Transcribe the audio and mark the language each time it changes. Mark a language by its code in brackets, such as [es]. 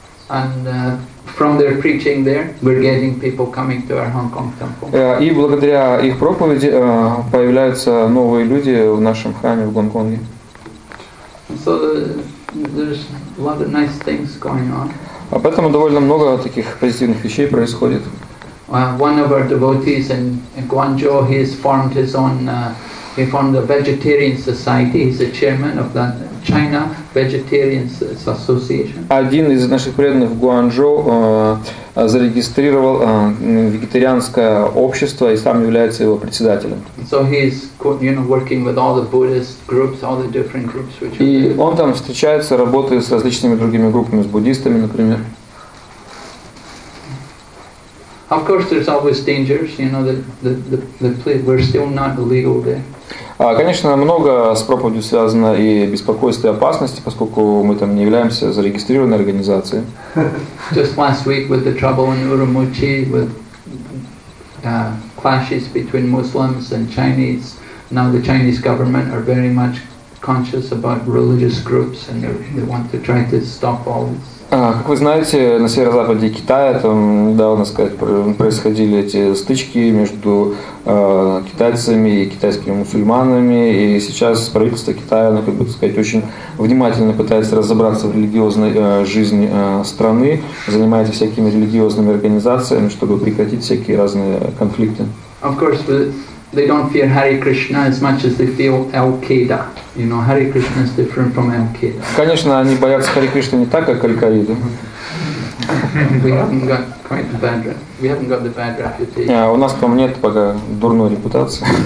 [en] And from their preaching there, we're getting people coming to our Hong Kong temple. [ru] И благодаря их проповеди появляются новые люди в нашем храме в Гонконге. [en] So there's a lot of nice things going on. [ru] Поэтому довольно много таких позитивных вещей происходит. [en] One of our devotees in Guangzhou, he has formed his own He formed a vegetarian society. He's the chairman of the China Vegetarian Association. [ru] Один из наших преданных в Гуанчжоу зарегистрировал вегетарианское общество и сам является его председателем. [en] So he's, you know, working with all the Buddhist groups, all the different groups which. [ru] И он там встречается, работает с различными другими группами, с буддистами, например. [en] Of course, there's always dangers. You know, the we're still not legal there. [ru] Конечно, много с проповедью связано и беспокойство, и опасности, поскольку мы там не являемся зарегистрированной организацией. [en] Just last week with the trouble in Urumqi, with clashes between Muslims and Chinese. Now the Chinese government are very much conscious about religious groups, and they want to try to stop all this. [ru] Как вы знаете, на северо-западе Китая там недавно, сказать, происходили эти стычки между китайцами и китайскими мусульманами, и сейчас правительство Китая, оно, как бы сказать, очень внимательно пытается разобраться в религиозной жизни страны, занимается всякими религиозными организациями, чтобы прекратить всякие разные конфликты. [en] Of course, they don't fear Hare Krishna as much as they feel Al-Qaeda. You know, Hare Krishna is different from Al-Qaeda. [ru] Конечно, они боятся Хари Кришны не так, как Аль-Каиды. [en] We haven't got the bad reputation. [ru] У нас там нет пока дурной репутации.